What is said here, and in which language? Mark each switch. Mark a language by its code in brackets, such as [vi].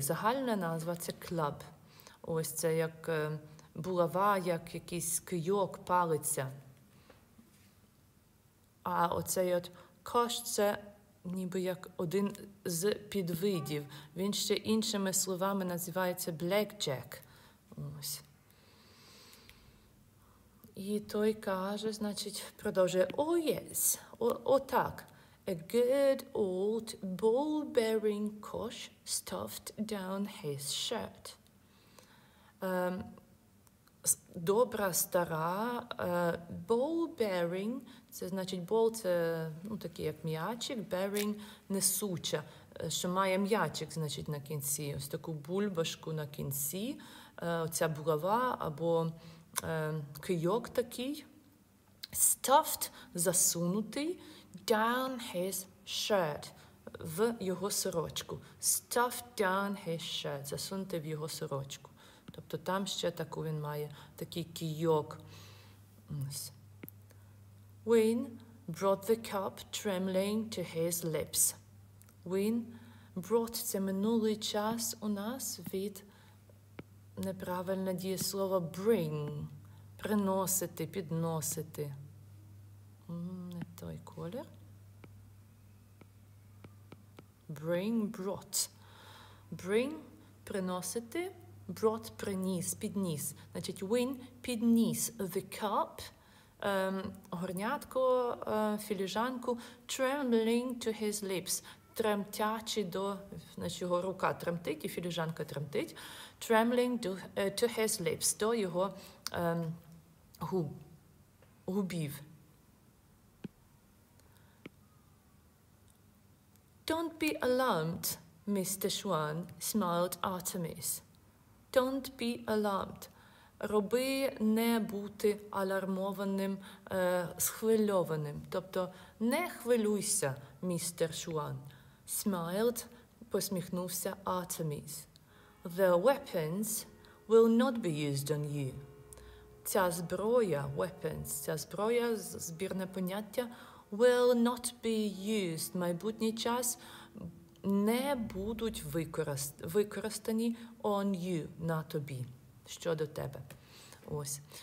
[uk] Загальна назва – це club. Ось це як булава, як якийсь кийок, палиця. А оцей от кош – це ніби як один з підвидів. Він ще іншими словами називається blackjack. Ось. І той каже, значить, продовжує, [en] oh yes, [uk] отак, [en] a good old ball-bearing cosh stuffed down his shirt. [uk] Добра стара, ball-bearing, це значить, ball – це ну, такий як м'ячик, bearing – несуча, що має м'ячик, значить, на кінці, ось таку бульбашку на кінці, оця булава або... кийок такий, [en] stuffed, [uk] засунутий, [en] down his shirt, [uk] в його сорочку. [en] Stuffed down his shirt, [uk] засунути в його сорочку. Тобто там ще таку він має, такий кийок. [en] Wynne brought the cup trembling to his lips. Wynne brought, [uk] це минулий час у нас від, неправильне дієслово, bring. Приносити, підносити. Не той колір. [en] Bring, brought. [uk] Bring, приносити. Brought, приніс, підніс. Значить, Wynne підніс [en] the cup, [uk] горнятко, філіжанку, [en] trembling to his lips. [uk] Тремтячи до, значить, його рука тремтить, і філіжанка тремтить. [en] Trembling to his lips, [uk] до його губів. [en] Don't be alarmed, Mr. Schwann, smiled Artemis. Don't be alarmed. [uk] Роби не бути алармованим, схвильованим. Тобто не хвилюйся, Mr. Schwann. [en] Smiled, [uk] посміхнувся Artemis. [en] The weapons will not be used on you. [uk] Ця зброя, weapons, ця зброя, збірне поняття, [en] will not be used, [uk] майбутній час, не будуть використані [en] on you, [uk] на тобі, щодо тебе. Ось.